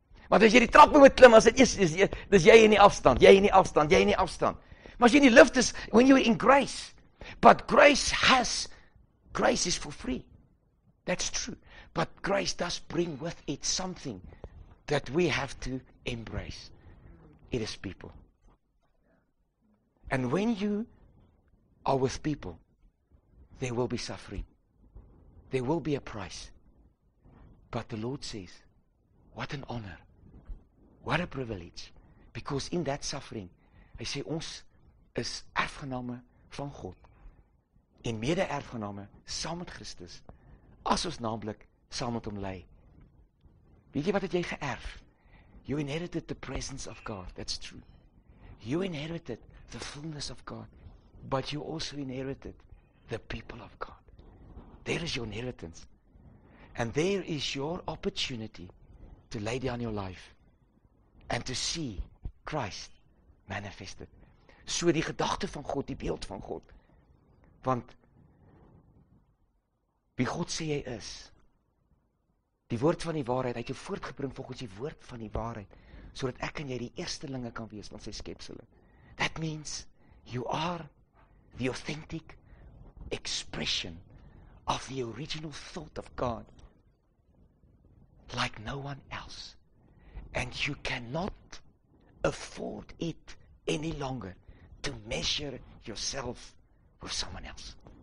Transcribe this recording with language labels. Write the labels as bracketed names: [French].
[Afrikaans] Want as jy die trappe moet klim, as dit is jy in die afstand, jy in die afstand, jy in die afstand. Maar as jy in die lift is, [English] when you're in grace, but grace is for free. That's true. But grace does bring with it something that we have to embrace. It is people. And when you are with people, there will be suffering. There will be a price. But the Lord says, what an honor. What a privilege. Because in that suffering, [Afrikaans] hy sê, ons is erfgename van God. En mede-erfgename, saam met Christus, as ons naamlik, saam met hom ly. Weet jy wat het jy geërf? [English] You inherited the presence of God. That's true. You inherited the fullness of God. But you also inherited the people of God. There is your inheritance. And there is your opportunity to lay down your life and to see Christ manifested. [Afrikaans] So die gedagte van God, die beeld van God. Want wie God sê jy is, die woord van die waarheid, hy het jou voortgebring volgens die woord van die waarheid, sodat ek en jy die eerstelinge kan wees van sy skepsele. [English] That means you are the authentic expression of the original thought of God, like no one else. And you cannot afford it any longer to measure yourself with someone else.